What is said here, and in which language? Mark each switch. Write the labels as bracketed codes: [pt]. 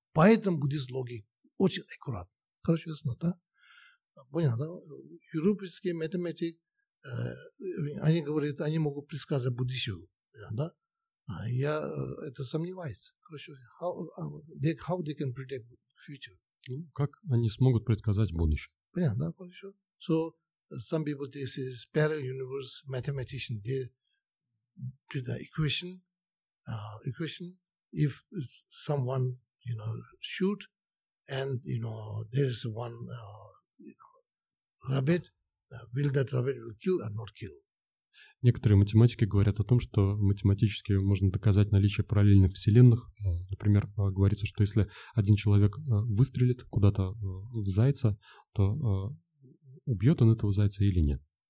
[ru] Поэтому буддийский логик очень аккуратно. Короче, ясно, да? Понятно, да? Европейские математик, они говорят, они могут предсказать будущего. Понятно, да? Я это сомневаюсь. Хорошо. [en] How they can predict future? [ru] Как они смогут предсказать будущее? Понятно, да, хорошо. [en] So some people this is parallel universe mathematician they do the equation. Equation. If someone you know shoot and you know there is one you know, rabbit, will that rabbit will kill or not kill? [ru] Некоторые математики говорят о том, что математически можно доказать наличие параллельных вселенных. Например, говорится, что если один человек выстрелит куда-то в зайца, то убьет он этого зайца или нет.